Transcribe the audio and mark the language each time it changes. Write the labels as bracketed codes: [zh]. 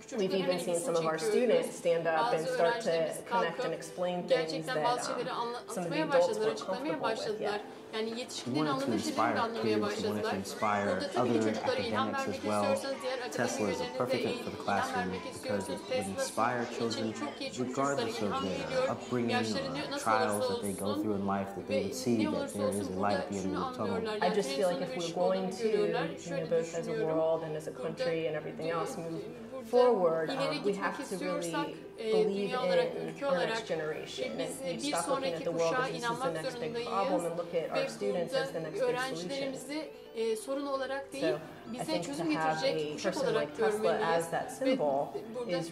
[en] We've even seen some of our students stand up and start to connect and explain things that some of the adults were comfortable with. Yeah. [tr] Yani yetişkinlerin anladığı şeyleri anlamaya başladılar. Burada tabii ki çocuklara ilham vermek istiyorsanız diğer akademilerine de ilham vermek istiyorsanız Tesla için çok iyi çocuklara ilham veriyor. Yaşları ne olursa olsun ve ne olursa olsun burada şunu anlıyorlar. [en] I just feel like if we're going to, you know, both as a world and as a country and everything else move forward, we have to really believe in our next generation and stop looking at the world as this is the next big problem and look at our our students as the next big solution. [tr] Sorun olarak değil, bize çözüm getirecek kuşak olarak görmeliyiz.